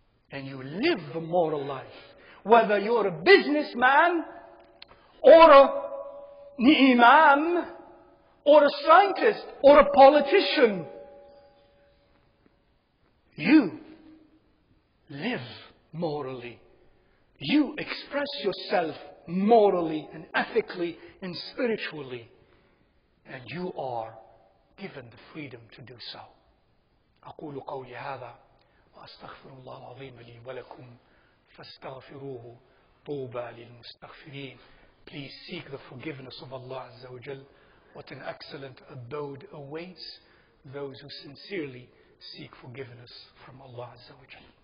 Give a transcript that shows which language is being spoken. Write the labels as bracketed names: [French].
[English] And you live the moral life. Whether you're a businessman or an imam or a scientist or a politician, you live morally. You express yourself morally and ethically and spiritually, and you are given the freedom to do so. [Arabic] أقول قولي هذا وأستغفر الله العظيم لي ولكم فاستغفروه طوبى للمستغفرين. [English] Please seek the forgiveness of Allah Azza wa Jal. What an excellent abode awaits those who sincerely seek forgiveness from Allah Azza wa Jal.